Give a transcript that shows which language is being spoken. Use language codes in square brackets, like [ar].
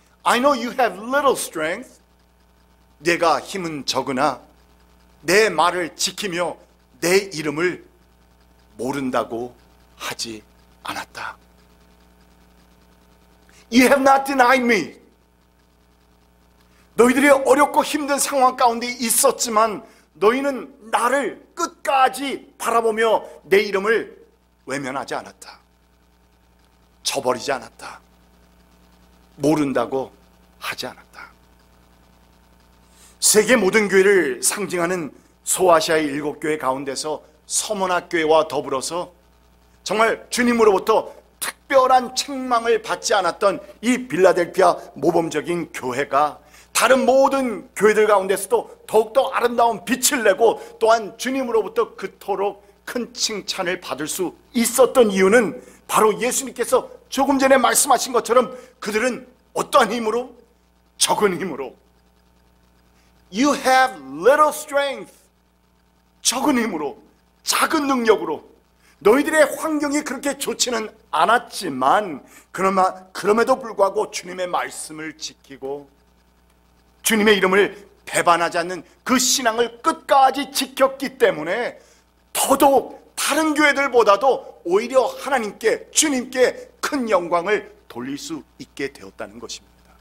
[en] I know you have little strength. [ko] 내가 힘은 적으나 내 말을 지키며 내 이름을 모른다고 하지 않았다. [en] You have not denied me. [ko] 너희들이 어렵고 힘든 상황 가운데 있었지만 너희는 나를 끝까지 바라보며 내 이름을 외면하지 않았다. 저버리지 않았다. 모른다고 하지 않았다. 세계 모든 교회를 상징하는 소아시아의 일곱 교회 가운데서 서머나 교회와 더불어서 정말 주님으로부터 특별한 책망을 받지 않았던 이 빌라델피아 모범적인 교회가 다른 모든 교회들 가운데서도 더욱더 아름다운 빛을 내고 또한 주님으로부터 그토록 큰 칭찬을 받을 수 있었던 이유는 바로 예수님께서 조금 전에 말씀하신 것처럼 그들은 어떤 힘으로? 적은 힘으로. [en] You have little strength. [ko] 적은 힘으로, 작은 능력으로. 너희들의 환경이 그렇게 좋지는 않았지만 그럼에도 불구하고 주님의 말씀을 지키고 주님의 이름을 배반하지 않는 그 신앙을 끝까지 지켰기 때문에 더더욱 다른 교회들보다도 오히려 하나님께, 주님께 큰 영광을 돌릴 수 있게 되었다는 것입니다.